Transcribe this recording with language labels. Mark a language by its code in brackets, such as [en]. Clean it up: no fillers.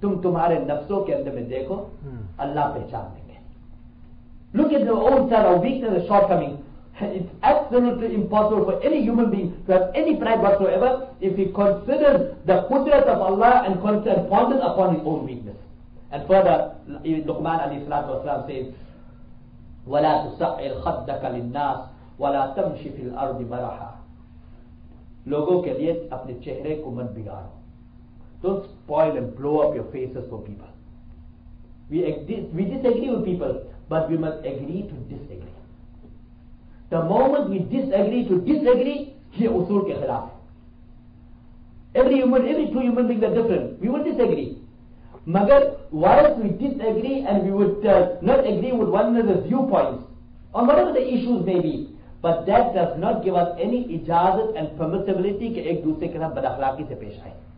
[ur] تم تمہارے نفسوں کے اندر میں دیکھو, اللہ پہچان دیں گے. [en] Look at your own self, our weakness and shortcoming. It's absolutely impossible for any human being to have any pride whatsoever if he considers the qudrat of Allah and ponders upon his own weakness. And further, Luqman alayhi salatu wasalam says, [ar] وَلَا تُسَعِّرْ خَدَّكَ لِلنَّاسِ وَلَا تَمْشِ فِي الْأَرْضِ بَرَحًا. [ur] لوگوں کے لیے اپنے چہرے کو مت بگاڑو. [en] Don't spoil and blow up your faces for people. We disagree with people, but we must agree to disagree. The moment we disagree, [ur] ye usool ke khilaf. [en] Every two human beings are different. We will disagree. [ur] Magar, [en] whilst we disagree and we would not agree with one another's viewpoints, on whatever the issues may be, but that does not give us any ijazat and permissibility [ur] ke ek dusre ke sath badakhlaqi se pesh aaye.